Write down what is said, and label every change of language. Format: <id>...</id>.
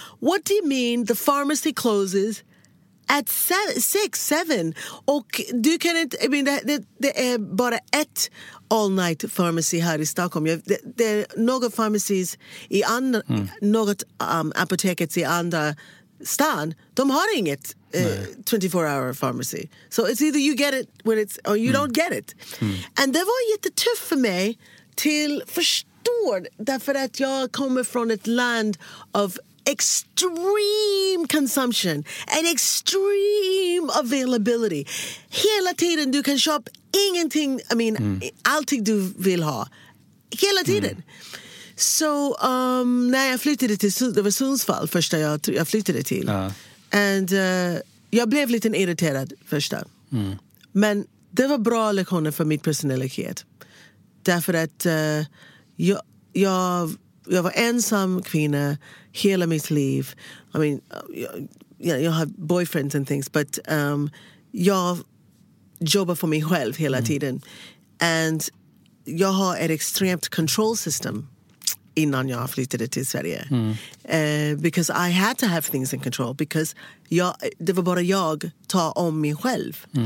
<en>What do you mean the pharmacy closes at 6, 7?</en> <sv>Och du kan inte,</sv> <en>I mean,</en> <sv>det är bara ett all-night pharmacy här i Stockholm. Det är några pharmacies i andra, något apoteket i andra stan. De har inget 24-hour pharmacy.</sv> <en>So it's either you get it when it's, or you don't get it.</en> <sv>And det var jättetuff för mig till förstår, därför att jag kommer från ett land av</sv> <en>extreme consumption and extreme availability.</en> <sv>Hela tiden du kan shop ingenting,</sv> <en>I mean,</en> <sv>allting du vill ha. Hela tiden. So, när jag flyttade till, det var Sundsvall första jag flyttade till. And jag blev lite irriterad första. Men det var bra lektioner för mitt personlighet. Därför att jag var ensam kvinna hela mitt liv.</sv> <en>I mean,</en> <sv>jag har boyfriends</sv> <en>and things, but</en> <sv>jag jobbar för mig själv hela tiden. And jag har ett extremt control system innan jag flyttade till Sverige.</sv> <en>Because I had to have things in control, because</en> <sv>det var bara jag tar om mig själv.</sv>